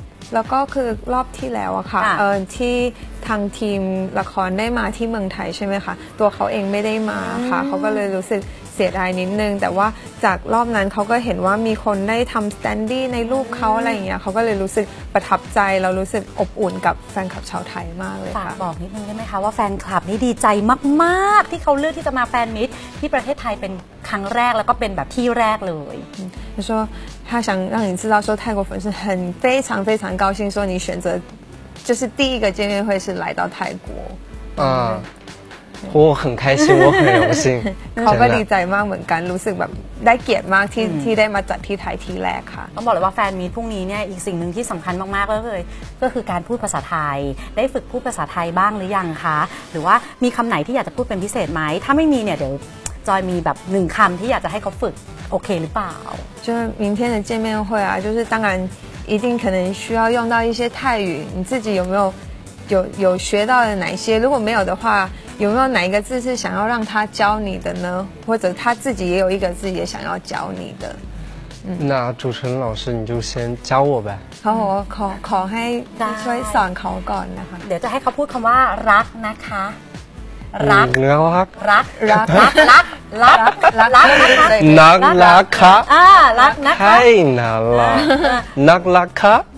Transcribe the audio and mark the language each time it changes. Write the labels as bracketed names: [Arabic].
[Thai] แล้วก็คือรอบที่แล้วอะค่ะที่ทางทีมละครได้มาที่เมืองไทยใช่ไหมคะตัวเขาเองไม่ได้มาค่ะเขาก็เลยรู้สึกเสียดายนิดนึงแต่ว่าจากรอบนั้นเขาก็เห็นว่ามีคนได้ทำสแตนดี้ในรูปเขาอะไรอย่างเงี้ยเขาก็เลยรู้สึกประทับใจแล้วรู้สึกอบอุ่นกับแฟนคลับชาวไทยมากเลยค่ะ บอกนิดนึงได้ไหมคะว่าแฟนคลับนี่ดีใจมากๆที่เขาเลือกที่จะมาแฟนมิตที่ประเทศไทยเป็นครั้งแรกแล้วก็เป็นแบบที่แรกเลย เขาบอก [Chinese] 他想让你知道说泰国粉丝很非常非常高兴说你选择就是第一个见面会是来到泰国我很开心我很荣幸 [Thai] เขาก็ดีใจมากเหมือนกันรู้สึกแบบได้เกียรติมากที่ได้มาจัดที่ไทยที่แรกค่ะ ต้องบอกเลยว่าแฟนมีทพรุ่งนี้เนี่ยอีกสิ่งหนึ่งที่สำคัญมากๆก็คือการพูดภาษาไทยได้ฝึกพูดภาษาไทยบ้างหรือยังคะหรือว่ามีคำไหนที่อยากจะพูดเป็นพิเศษไหมถ้าไม่มีเนี่ยเดี๋ยวจอยมีแบบหนึ่งคำที่อยากจะให้เขาฝึกโอเคหรือเปล่า [Chinese] 就明天的见面会啊就是当然一定可能需要用到一些泰语你自己有没有学到的哪些如果没有的话有没有哪一个字是想要让他教你的呢或者他自己也有一个字也想要教你的那主持人老师你就先教我呗。好，我 [Thai] ขอให้ช่วยสอนเขาก่อนนะคะ เดี๋ยวจะให้เขาพูดคำว่ารักนะคะรัก เนื้อ รัก รักรักรักรัก นักรักค่ะ รักนะคะ ใช่น่ารักนักรักค่ะ